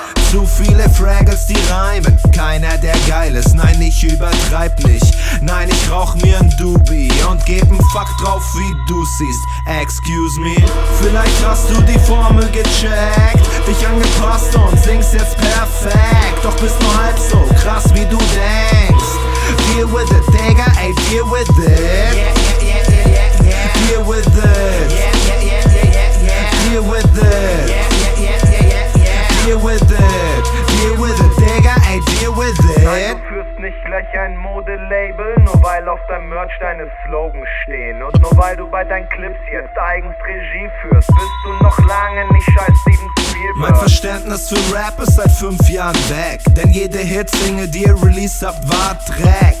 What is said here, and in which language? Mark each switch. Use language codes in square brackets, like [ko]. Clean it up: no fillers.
[de] Zu viele Fraggles, die reimen. Keiner, der geil ist, nein, ich übertreib nicht. Nein, ich rauch mir ein Doobie und geb ein Fuck drauf, wie du siehst. [en] Excuse me. [de] Vielleicht hast du die Formel gecheckt, dich angepasst und singst jetzt perfekt. Doch bist nur halb so krass, wie du denkst. [en] Deal with it, Digga, ey, deal with it. Yeah, yeah, yeah, yeah, yeah. Deal with it. Yeah, yeah, yeah, yeah, yeah, yeah. Deal with it. Deal with it, deal with it, Digga, ey, deal with it. [de] Nein, du führst nicht gleich ein Modelabel, nur weil auf deinem Merch deine Slogans stehen. Und nur weil du bei deinen Clips jetzt eigens Regie führst, bist du noch lange nicht scheiß Steven Spielberg. Mein Verständnis für Rap ist seit 5 Jahren weg, denn jede Hitsingle, die ihr released habt, war Dreck.